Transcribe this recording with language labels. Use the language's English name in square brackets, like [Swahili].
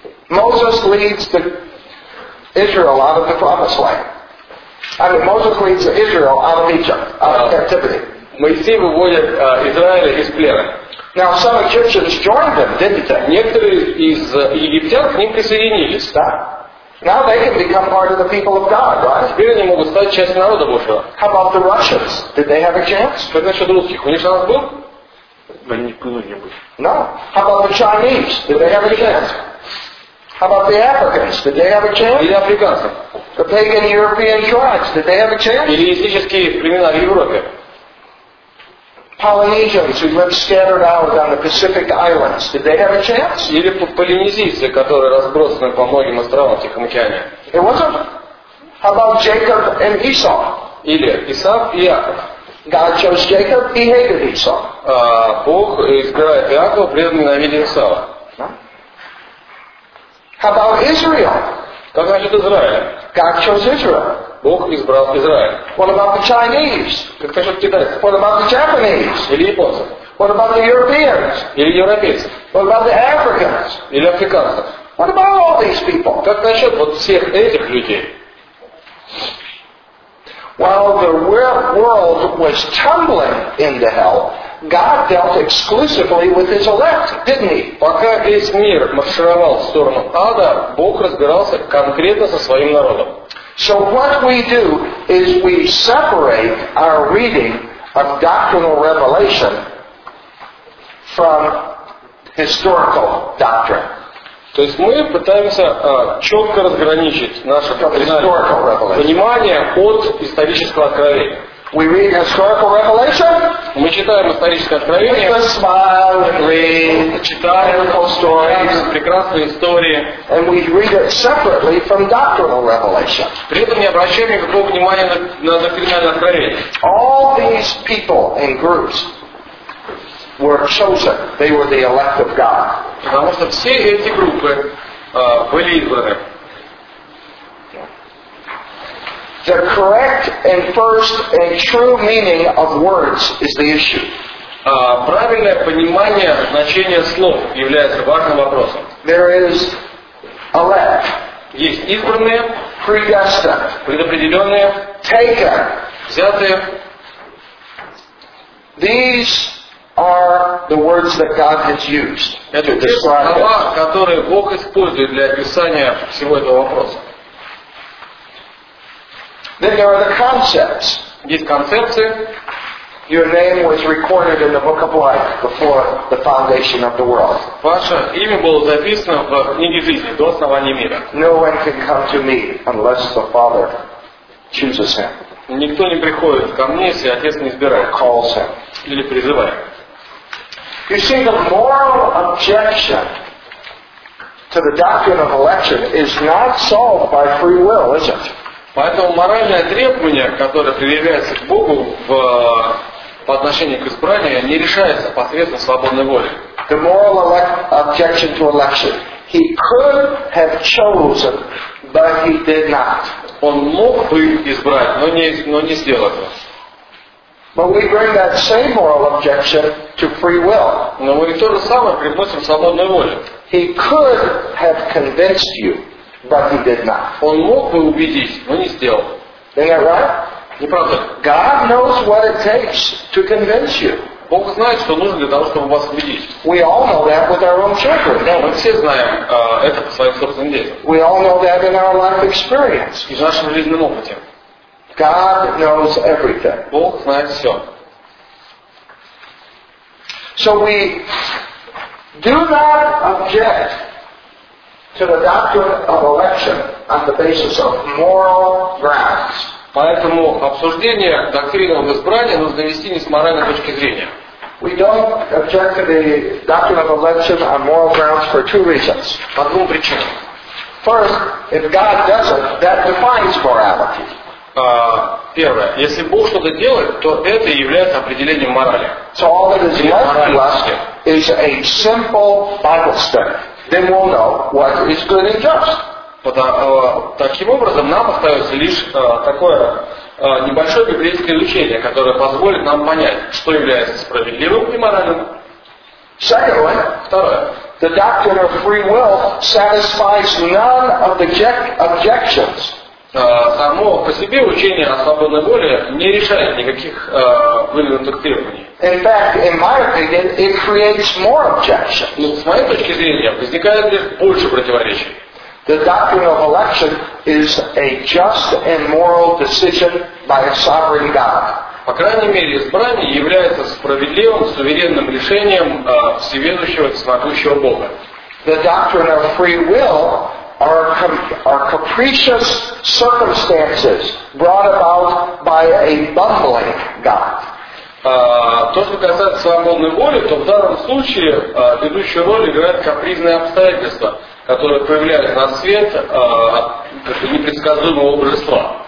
[English] Moses leads the Israel out of the promised land. I mean, Moses leads the Israel out of Egypt, out of captivity. [Russian] Моисей выводит Израиля из плена. [English] Now some Egyptians joined them, didn't they? [Russian] Некоторые из египтян к ним присоединились, да? [English] Now they can become part of the people of God, right? [Russian] Теперь они могут стать частью народа Божьего. [English] How about the Russians? Did they have a chance? [Russian] Как насчет русских? У них шанс был? Да не было, не было. [English] No. How about the Chinese? Did they have a chance? How about the Africans? Did they have a chance? [Russian] Или африканцев? [English] The pagan European tribes? Did they have a chance? [Russian] Или языческие племена в Европе? [English] Polynesians who lived scattered out on the Pacific Islands. Did they have a chance? [Russian] Или полинезийцы, которые разбросаны по многим островам Тихого океана. [English] It wasn't. How about Jacob and Esau? [Russian] Или Исав и Яков. [English] God chose Jacob. He hated Esau. [Russian] Бог избирает Иакова, при этом ненавидит Исава. [English] How about Israel? [Russian] Как насчет Израиля? [English] God chose Israel. [Russian] Бог избрал Израиль. [English] What about the Chinese? [Russian] Как насчет китайцев? [English] What about the Japanese? [Russian] Или японцев? [English] What about the Europeans? [Russian] Или европейцев? [English] What about the Africans? [Russian] Или африканцев? [English] What about all these people? [Russian] Как насчет вот всех этих людей? [English] While the world was tumbling into hell, God dealt exclusively with His elect, didn't He? [Russian] Пока весь мир маршировал в сторону ада, Бог разбирался конкретно со своим народом. [English] So what we do is we separate our reading of doctrinal revelation from historical doctrine. [Russian] То есть мы пытаемся четко разграничить наше понимание от исторического откровения. [English] We read historical revelation. [Russian] Мы читаем историческое откровение. [English] With a smile, read historical stories. [Russian] Прекрасные истории. [English] And we read it separately from doctrinal revelation. [Russian] При этом не обращаем никакого внимания на доктринальное откровение. [English] All these people and groups were chosen. They were the elect of God. [Russian] Потому что все эти группы были избраны. [English] The correct and first and true meaning of words is the issue. [Russian] Правильное понимание значения слов является важным вопросом. [English] There is elect. [Russian] Есть избранные. [English] Predestined. [Russian] Предопределенные. [English] Taken. [Russian] Взятые. [English] These are the words that God has used. [Russian] Это те слова, которые Бог использует для описания всего этого вопроса. [English] Then there are the concepts. [Russian] Есть концепции. [English] Your name was recorded in the book of life before the foundation of the world. [Russian] Ваше имя было записано в книге жизни до основания мира. [English] No one can come to me unless the Father chooses him. [Russian] Никто не приходит ко мне, если отец не избирает. [English] Calls him. [Russian] Или призывает. [English] You see, the moral objection to the doctrine of election is not solved by free will, is it? [Russian] Поэтому моральное требование, которое предъявляется к Богу по отношению к избранию, не решается посредством свободной воли. [English] The moral objection to election. He could have chosen, but he did not. [Russian] Он мог бы избрать, но не сделал этого. [English] But we bring that same moral objection to free will. [Russian] Но мы то же самое приносим свободной воле. [English] He could have convinced you. But he did not. [Russian] Он мог бы убедить, но не сделал. [English] Isn't that right? [Russian] Не правда? [English] God knows what it takes to convince you. [Russian] Бог знает, что нужно для того, чтобы вас убедить. [English] We all know that with our own children. [Russian] Да, мы все знаем это по своим собственным детям. [English] We all know that in our life experience. [Russian] Из нашего жизненного опыта. [English] God knows everything. [Russian] Бог знает все. [English] So we do not object to the doctrine of election on the basis of moral grounds. [Russian] Поэтому обсуждение доктрины об избрании нужно вести не с моральной точки зрения. [English] We don't object to the doctrine of election on moral grounds for two reasons. [Russian] По двум причинам. [English] First, if God does it, that defines morality. [Russian] Первое, если Бог что-то делает, то это является определением морали. [English] So all that is left left is a simple Bible study. Then we'll know what is good and just. [Russian] Таким образом, нам остается лишь такое небольшое библейское учение, которое позволит нам понять, что является справедливым и моральным. [English] Secondly, [Russian] второе, [English] the doctrine of free will satisfies none of the objections. [Russian] Само по себе учение о свободной воле не решает никаких выдвинутых требований. [English] In fact, in my opinion, it creates more objections. [Russian] Но с моей точки зрения возникает лишь больше противоречий. [English] The doctrine of election is a just and moral decision by a sovereign God. [Russian] По крайней мере, избрание является справедливым, суверенным решением всеведущего, всемогущего Бога. [English] The doctrine of free will are capricious circumstances brought about by a bumbling God. [Russian] То, что касается свободной воли, то в данном случае ведущую роль играют капризные обстоятельства, которые появляют на свет непредсказуемого божества.